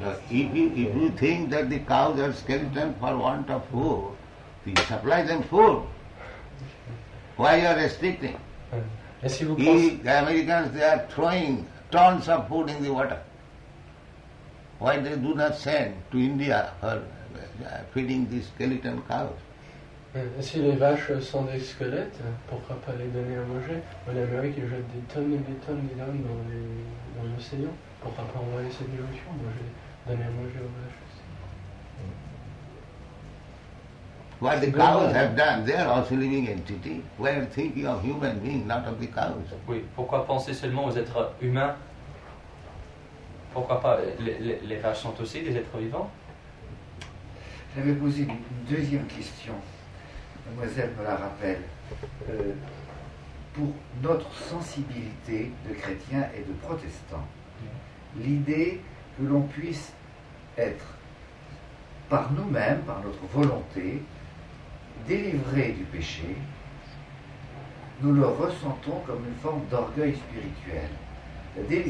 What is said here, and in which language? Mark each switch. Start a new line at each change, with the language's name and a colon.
English: If you think that the cows are skeleton for want of food, then you supply them food. Why are you restricting? The Americans, they are throwing tons of food in the water. Why they do not send to India for feeding the skeleton cows?
French: Si les vaches sont des squelettes, pourquoi pas les donner à manger? En Amérique, ils jettent des tonnes d'hommes dans l'océan. Pourquoi pas envoyer cette direction, manger, donner à manger aux vaches aussi?
English: What the cows have done, they are also living entity. We are thinking of human beings, not of the cows.
French: Oui, pourquoi penser seulement aux êtres humains? Pourquoi pas, les vaches sont aussi des êtres vivants? J'avais posé une deuxième question. Mademoiselle me la rappelle. Pour notre sensibilité de chrétiens et de protestants, l'idée que l'on puisse être par nous-mêmes, par notre volonté, délivré du péché, nous le ressentons comme une forme d'orgueil spirituel.